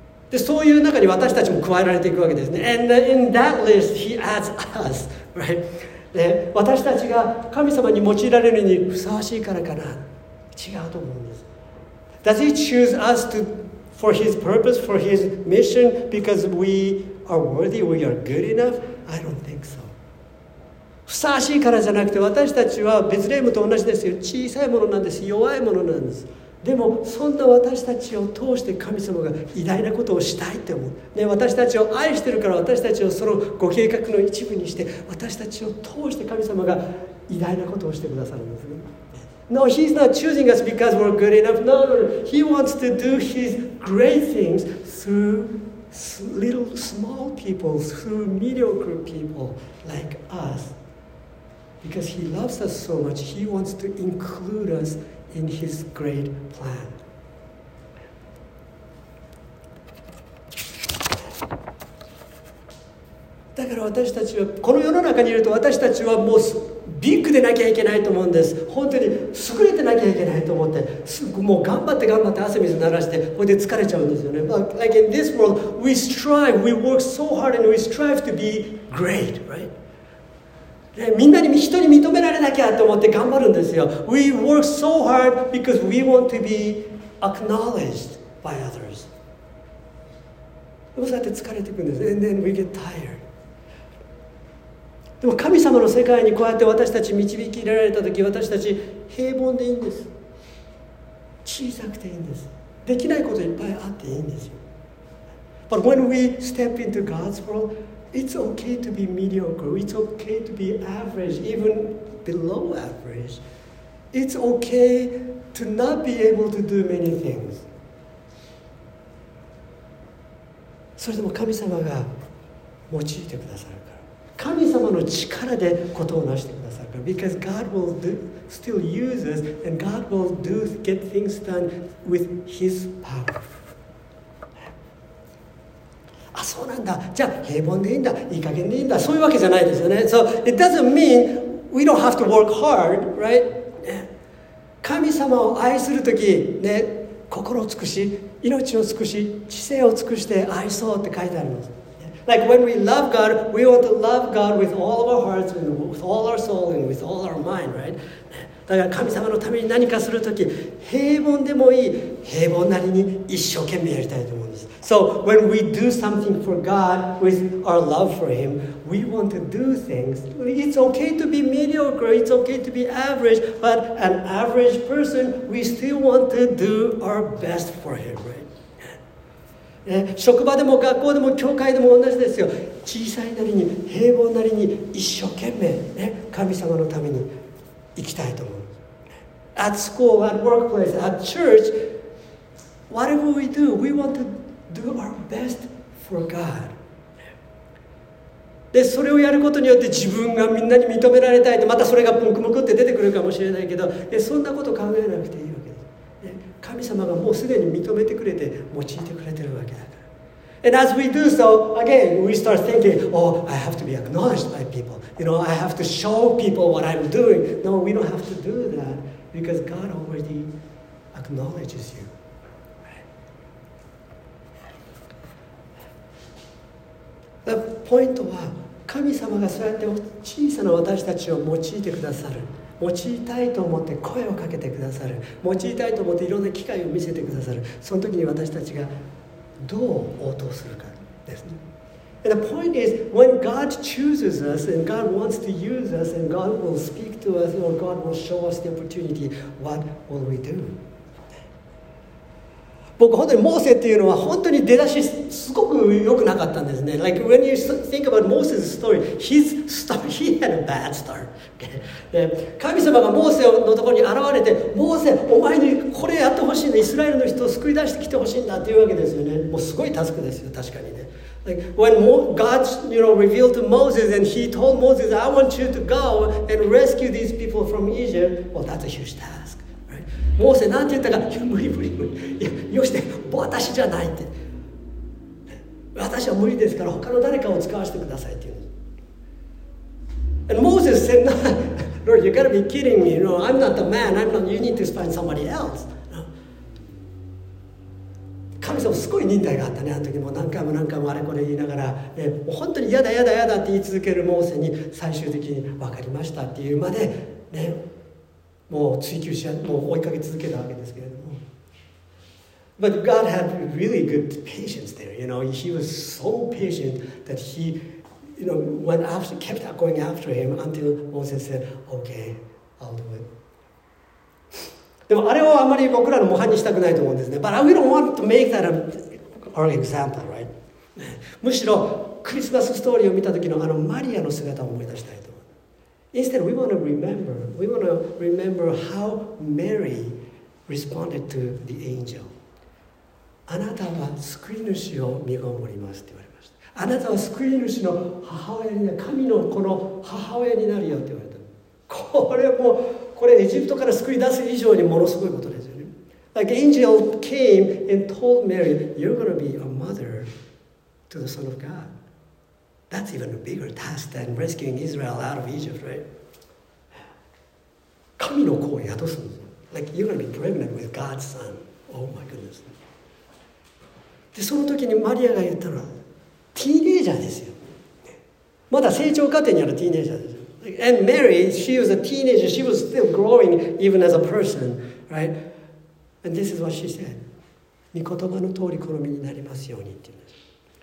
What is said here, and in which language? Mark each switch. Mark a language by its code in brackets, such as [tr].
[ja] でそういう中に私たちも加えられていくわけですね。 [en] And in that list he adds us, right? [ja] ね、私たちが神様に用いられるにふさわしいからかな、違うと思うんです。 [en] Does he choose us to, for his purpose, for his mission, because we are worthy, we are good enough? I don't think so. [ja] ふさわしいからじゃなくて、私たちはベツレヘムと同じですよ。小さいものなんです、弱いものなんです。でもそんな私たちを通して神様が偉大なことをしたいって思う、ね、私たちを愛してるから、私たちをそのご計画の一部にして、私たちを通して神様が偉大なことをしてくださるんですね。 [en] No, he's not choosing us because we're good enough. No, no, no. He wants to do his great things through little small people, through mediocre people like us. Because he loves us so much, he wants to include usin his great plan. [ja] だから私たちはこの世の中にいると、私たちはもうビッグでなきゃいけないと思うんです。本当に優れてなきゃいけないと思って、すぐもう頑張って頑張って汗水流して、これで疲れちゃうんですよね。 [en] But like in this world, we strive, we work so hard and we strive to be great, right? [ja] ね、みんなに人に認められなきゃと思って頑張るんですよ。 [en] We work so hard because we want to be acknowledged by others. [ja] でもそうやって疲れていくんです。 [en] And then we get tired. [ja] でも神様の世界にこうやって私たち導き入れられた時、私たち平凡でいいんです。小さくていいんです。できないこといっぱいあっていいんですよ。 [en] But when we step into God's worldIt's okay to be mediocre. It's okay to be average, even below average. It's okay to not be able to do many things. [ja] それでも神様が用いてくださるから。神様の力でことをなしてくださるから。 [en] Because God will do, still use us, and God will do, get things done with His power. [ja] あ、そうなんだ。じゃあ平凡でいいんだ。いい加減でいいんだ。そういうわけじゃないですよね。 [en] So it doesn't mean we don't have to work hard, right? [ja] 神様を愛するとき、ね、心を尽くし、命を尽くし、知性を尽くして愛そうって書いてあります。 [en] Like when we love God, we want to love God with all of our hearts, with all our soul, and with all our mind, right? [ja] だから神様のために何かするとき、平凡でもいい、平凡なりに一生懸命やりたいと思う。 [en] So when we do something for God with our love for Him, we want to do things. It's okay to be mediocre, it's okay to be average, but an average person, we still want to do our best for Him, right? [ja] 職場でも学校でも教会でも同じですよ。小さいなりに平凡なりに一生懸命、ね、神様のために生きたいと思う。 [en] At school, at workplace, at church, whatever we do, we want to do our best for God. [ja] で、それをやることによって自分がみんなに認められたいと、またそれがムクムクって出てくるかもしれないけど、で、そんなこと考えなくていいわけです。で、神様がもうすでに認めてくれて、用いてくれてるわけだから。 [en] And as we do so, again, we start thinking, oh, I have to be acknowledged by people. You know, I have to show people what I'm doing. No, we don't have to do that because God already acknowledges you. [ja] ポイントは、神様がそうやって小さな私たちを用いてくださる、用いたいと思って声をかけてくださる、用いたいと思っていろんな機会を見せてくださる、その時に私たちがどう応答するかですね。 [en] And the point is, when God chooses us and God wants to use us and God will speak to us or God will show us the opportunity, what will we do? [ja] 僕本当にモーセっていうのは本当に出だしすごく良くなかったんですね。 [en] Like when you think about Moses' story, his story, he had a bad start. Okay. [ja] で、神様がモーセのところに現れて、モーセ、お前にこれやってほしいんだ、イスラエルの人を救い出してきてほしいんだっていうわけですよね。もうすごいタスクですよ、確かにね。 [en] Like when God, you know, revealed to Moses and he told Moses, I want you to go and rescue these people from Egypt. Well, that's a huge task. [ja] モーセなんて言ったか、無理無理無理、いや、よして、私じゃないって、私は無理ですから他の誰かを使わせてくださいって言う。 [en] And Moses said, no, Lord, you gotta be kidding me, no, I'm not the man, I'm not, you need to find somebody else. [ja] 神様すごい忍耐があったね、あの時も何回も何回もあれこれ言いながら、ね、もう本当にやだやだやだって言い続けるモーセに最終的に分かりましたっていうまでね、もう追求し、もう追いかけ続けたわけですけれども。 [en] But God had really good patience there, you know. He was so patient that he, you know, went after, kept going after him until Moses said, okay, I'll do it. [ja] でもあれをあまり僕らの模範にしたくないと思うんですね。 [en] But we don't want to make that our example, right? [ja] むしろクリスマスストーリーを見た時のあのマリアの姿を思い出したい。 [en] Instead, we want to remember how Mary responded to the angel. [ja] あなたは救い主を見守りますって言われました。あなたは救い主の母親になる、神の子の母親になるよって言われた。これもう、これエジプトから救い出す以上にものすごいことですよね。 [en] Like angel came and told Mary, you're going to be a mother to the Son of God. That's even a bigger task than rescuing Israel out of Egypt, right? [ja] 神の子を宿す。 [en] Like, you're going to be pregnant with God's son. Oh my goodness. [ja] で、その時にマリアが言ったのは、ティーネイジャーですよ。まだ成長過程にあるティーネイジャーですよ。 [en] And Mary, she was a teenager. She was still growing even as a person, right? And this is what she said. [ja] 御言葉の通り好みになりますようにって言うんです。